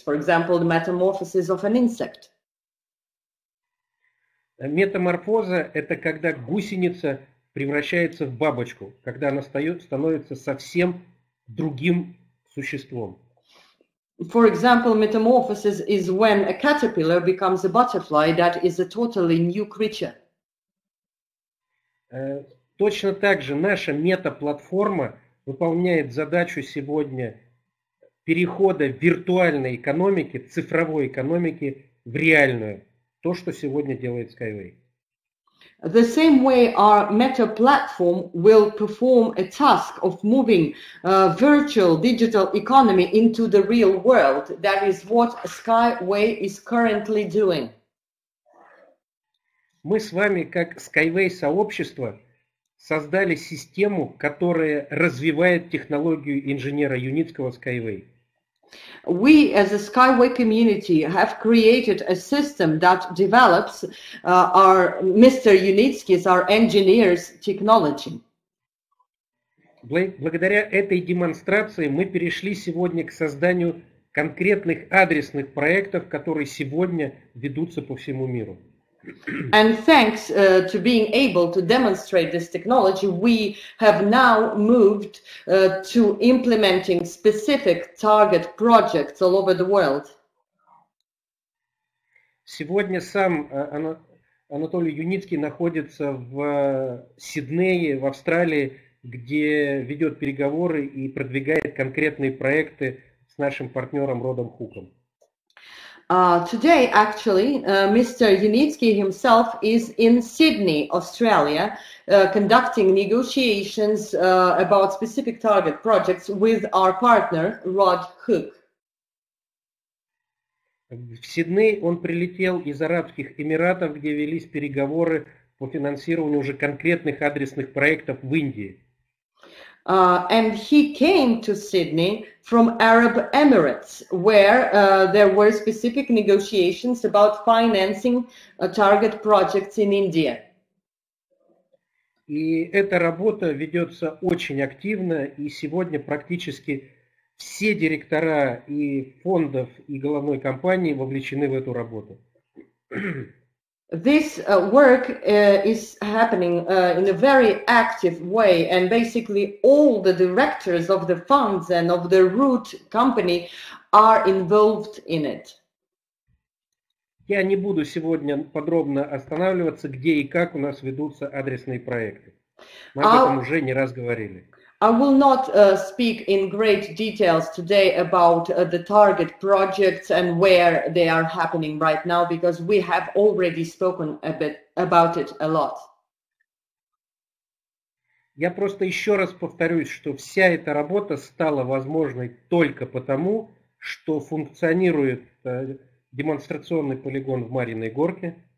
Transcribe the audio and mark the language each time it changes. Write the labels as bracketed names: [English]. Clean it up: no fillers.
[English] For example, the metamorphosis of an insect. [Russian] Метаморфоза – это когда гусеница превращается в бабочку, когда она становится совсем другим существом. [English] For example, metamorphosis is when a caterpillar becomes a butterfly that is a totally new creature. [Russian] Точно так же наша мета-платформа выполняет задачу сегодня перехода виртуальной экономики, цифровой экономики в реальную. То, что сегодня делает Skyway. [English] The same way our Meta platform will perform a task of moving virtual digital economy into the real world. That is what Skyway is currently doing. [Russian] Мы с вами, как Skyway сообщество, создали систему, которая развивает технологию инженера Юницкого Skyway. [English] We as a Skyway community have created a system that develops our Mr. Yunitsky's, our engineer's technology. [Russian] Благодаря этой демонстрации мы перешли сегодня к созданию конкретных адресных проектов, которые сегодня ведутся по всему миру. [English] And thanks to being able to demonstrate this technology, we have now moved to implementing specific target projects all over the world. [Russian] Сегодня сам Анатолий Юницкий находится в Сиднее, в Австралии, где ведет переговоры и продвигает конкретные проекты с нашим партнером Родом Хуком. [English] Today, actually, Mr. Yunitsky himself is in Sydney, Australia, conducting negotiations about specific target projects with our partner, Rod Hook. [Russian] В Сидней он прилетел из Арабских Эмиратов, где велись переговоры по финансированию уже конкретных адресных проектов в Индии. [English] And he came to Sydney from Arab Emirates, where there were specific negotiations about financing target projects in India. [Russian] И эта работа ведется очень активно, и сегодня практически все директора и фондов, и головной компании вовлечены в эту работу. [English] This work is happening in a very active way, and basically all the directors of the funds and of the root company are involved in it. [Russian] Я не буду сегодня подробно останавливаться, где и как у нас ведутся адресные проекты. Мы об этом уже не раз говорили. [English] I will not speak in great details today about the target projects and where they are happening right now, because we have already spoken a bit about it a lot. [Russian] Я просто еще раз повторюсь, что вся эта работа стала возможной только потому, что функционирует демонстрационный полигон в Марьиной Горке.